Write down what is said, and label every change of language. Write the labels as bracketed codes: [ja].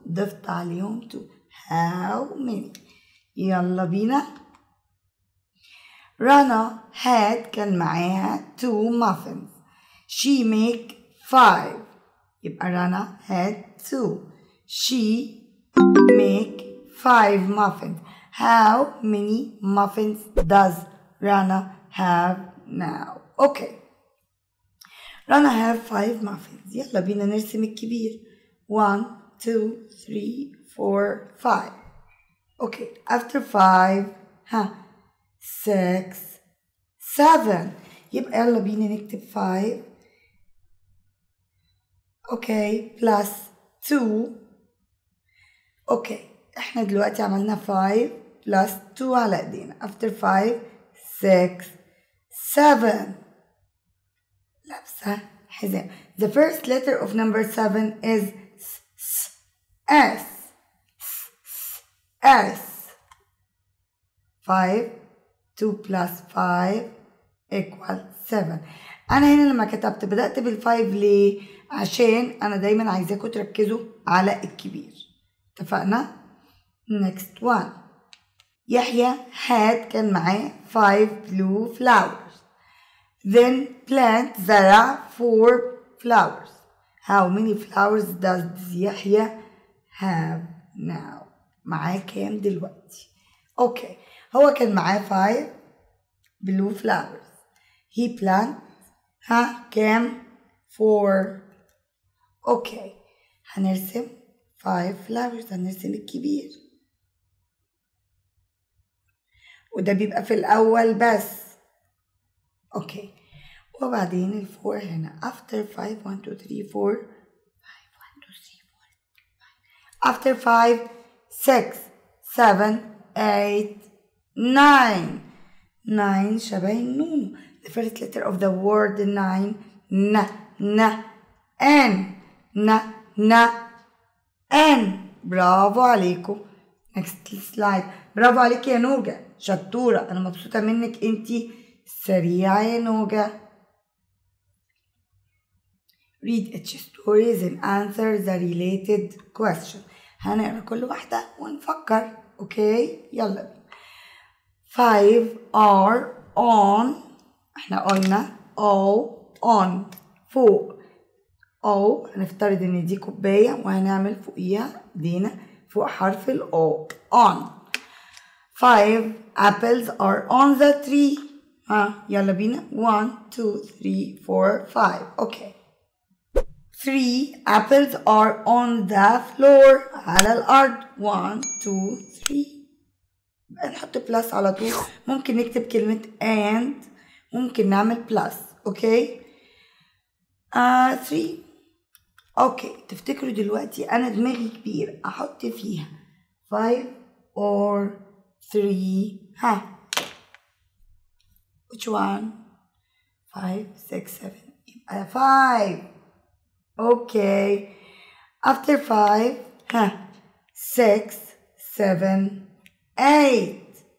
[ar] ضفت عليهم 2. [en] How many? [ar] يلا بينا. رنا [en] had [ar] كان معاها 2 [en] muffins. She make 5. [ar] يبقى رنا [en] had [ar] 2. [en] She make 5 muffins. How many muffins does Rana have now? Okay. Rana have 5 muffins. [ar] يلا بينا نرسم الكبير. 1, 2, 3, 4, 5. [en] Okay. After 5, 6, 7. [ar] يبقى يلا بينا نكتب 5. [en] Okay. Plus 2. Okay. [ar] احنا دلوقتي عملنا 5 plus 2 على ايدينا. [en] After 5, 6, 7. [ar] لابسة حزام. [en] The first letter of number 7 is S. S. 5. 2 plus 5 equals 7. [ar] أنا هنا لما كتبت بدأت بالفايف ليه؟ عشان أنا دايما عايزاكم تركزوا على الكبير. اتفقنا؟ [en] Next one. Yahya had [ar] كان معاه [en] 5 blue flowers. Then plant [ar] زرع [en] 4 flowers. How many flowers does Yahya have now? [ar] معاه كام دلوقتي؟ اوكي. هو كان معاه 5 [en] blue flowers. He plant [ar] كام؟ [en] 4. [ar] اوكي. هنرسم 5 flowers. هنرسم الكبير. وده بيبقى في الأول بس. اوكي. وبعدين الفور هنا. [en] After 5, 1, 2, 3, 4. 5, 1, 2, 3, 4. After 5, 6, 7, 8, 9. 9 [ar] شبه النون. [en] The first letter of the word 9 ن ن N ن ن ان. [ar] برافو عليكو. نكست سلايد. برافو عليك يا نوجة، شطورة، انا مبسوطة منك، انت سريعة يا نوجة. [en] read each stories and answer the related question. [ar] هنقرأ كل واحدة ونفكر. اوكي يلا. [en] five are on، [ar] احنا قلنا [en] all on [ar] فوق، او هنفترض ان دي كوباية وهنعمل فوقيها دينا فوق حرف الاو on. [en] five apples are on the tree. [ar] ها يلا بينا. 1 2 3 4 5. اوكي. [en] three apples are on the floor، [ar] على الارض. [en] 1 2 3. [ar] نحط بلس على طول، ممكن نكتب كلمة and، ممكن نعمل بلس. [en] Okay. three. [ar] اوكي تفتكروا دلوقتي انا دماغي كبير، احط فيها [en] five or three. ها which one؟ five six seven. five. Okay. After five, huh? Six, seven, eight.